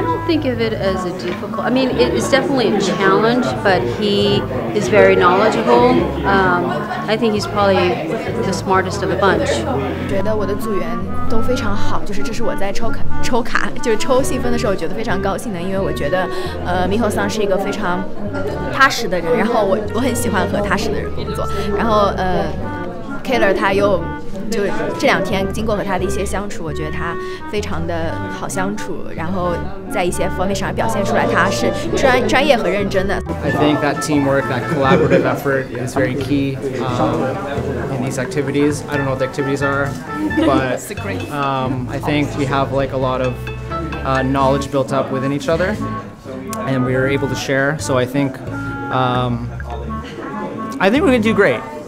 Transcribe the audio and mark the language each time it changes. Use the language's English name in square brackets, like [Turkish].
[English] don't think of it as a difficult, I mean, it's definitely a challenge, but he is very knowledgeable. I think he's probably the smartest of the bunch. [Chinese] 觉得我的组员都非常好，就是这是我在抽卡抽卡，就是抽戏份的时候，我觉得非常高兴的，因为我觉得猕猴桑是一个非常踏实的人，然后我很喜欢和踏实的人工作。然后Kayler他又就这两天经过和他的一些相处，我觉得他非常的好相处，然后在一些方面上表现出来他是专业和认真的。 [English] I think that teamwork, that collaborative effort is very key. These activities, I don't know what the activities are, but I think we have like a lot of knowledge built up within each other, and we are able to share. So I think we're gonna do great.